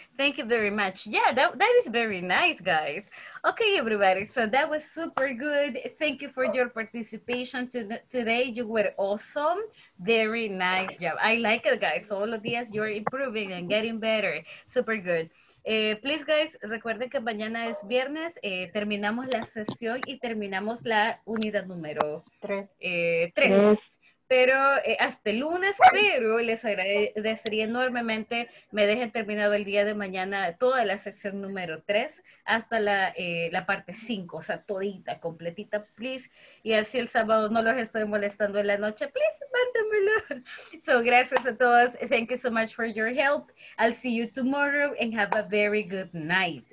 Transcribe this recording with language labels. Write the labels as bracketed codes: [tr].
[en] Thank you very much. Yeah, that is very nice, guys. Okay, everybody, so that was super good. Thank you for your participation today. You were awesome. Very nice job. I like it, guys. All of these, you're improving and getting better. Super good. [es] Please, guys, recuerden que mañana es viernes, terminamos la sesión y terminamos la unidad número 3. Pero hasta el lunes, pero les agradecería enormemente me dejen terminado el día de mañana toda la sección número 3 hasta la parte 5, o sea, todita, completita, please. Y así el sábado no los estoy molestando en la noche, please, mándamelo. [en] So, [es] gracias a todos. [en] Thank you so much for your help. I'll see you tomorrow and have a very good night.